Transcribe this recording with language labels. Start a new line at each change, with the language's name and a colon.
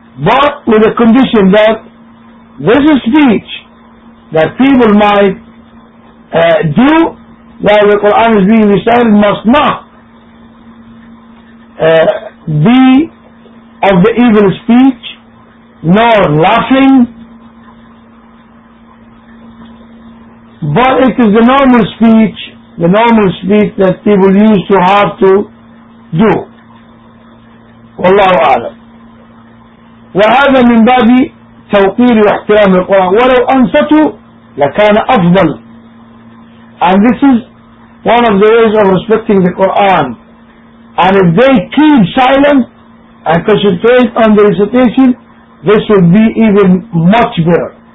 English: but with the condition that this speech that people might do while the Quran is being recited must not be of the evil speech, nor laughing, but it is the normal speech that people used to have to do.
Arabic: والله أعلم. وهذا من باب توقير واحترام القرآن. ولو أنصتوا لكان أفضل.
English: And this is one of the ways of respecting the Quran. And if they keep silent and concentrate on the recitation, this would be even much better.